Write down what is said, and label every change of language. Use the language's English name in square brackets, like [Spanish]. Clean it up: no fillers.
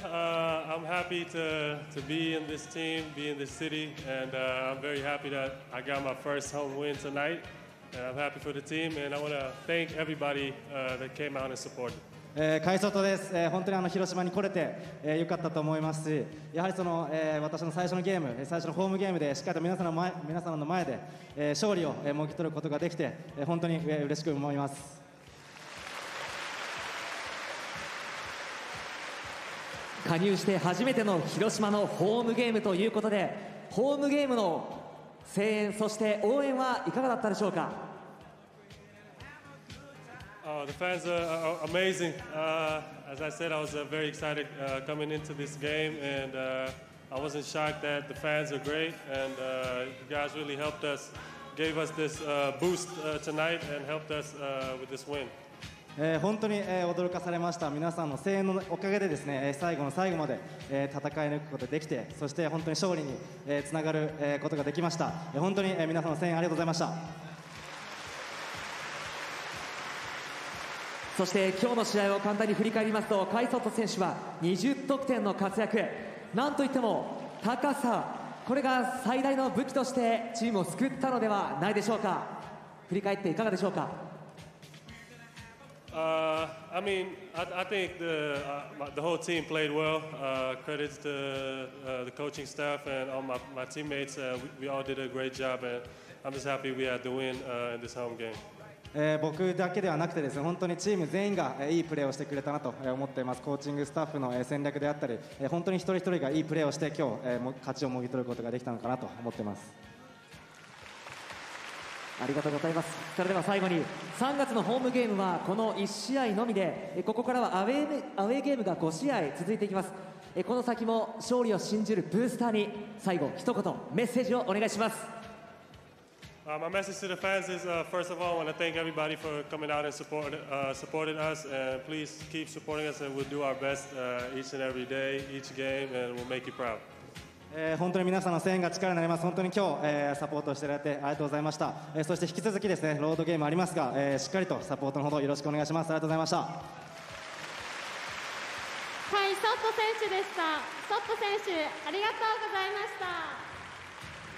[English] I'm happy to be in this team, be in this city, and I'm very happy that I got my first home win tonight. And I'm happy for the team, and I want to thank everybody that came out and supported. [Japanese] Kai Soto です。本当にあの広島に来れて、よかったと思いますし、やはりその、私の最初のゲーム、最初のホームゲームでしっかりと皆様の前で、勝利を、もぎ取ることができて、本当に、嬉しく思います。加入して初めての広島のホームゲームということで、ホームゲームの声援、そして応援はいかがだったでしょうか。 [English] Oh, the fans are amazing. As I said, I was very excited coming into this game, and I wasn't shocked that the fans are great, and you guys really helped us, gave us this boost tonight, and helped us with this win. [Japanese] 本当に驚かされました。皆さんの声援のおかげでですね、最後の最後まで戦い抜くことができて、そして本当に勝利につながることができました。本当に皆さんの声援ありがとうございました。そして今日の試合を簡単に振り返りますと、カイソト選手は20得点の活躍、なんといっても高さ、これが最大の武器としてチームを救ったのではないでしょうか。振り返っていかがでしょうか。 [English] I mean, I think the whole team played well. Credits to the coaching staff and all my teammates. We all did a great job, and I'm just happy we had the win in this home game. [Japanese] 僕だけではなくてですね、本当にチーム全員がいいプレーをしてくれたなと思っています。コーチングスタッフの戦略であったり、本当に一人一人がいいプレーをして今日勝ちをもぎ取ることができたのかなと思っています。ありがとうございます。それでは最後に、3月のホームゲームはこの1試合のみで、ここからはアウェーゲームが5試合続いていきます。この先も勝利を信じるブースターに最後一言メッセージをお願いします。 [English] My message to the fans is, first of all, I want to thank everybody for coming out and supporting us. And please keep supporting us, and we'll do our best each and every day, each game, and we'll make you proud. [Japanese] 本当に皆さんの声援が力になります。本当に今日、サポートしていただいてありがとうございました。そして引き続きですね、ロードゲームありますが、しっかりとサポートのほどよろしくお願いします。ありがとうございました。はい、ソット選手でした。ソット選手、ありがとうございました。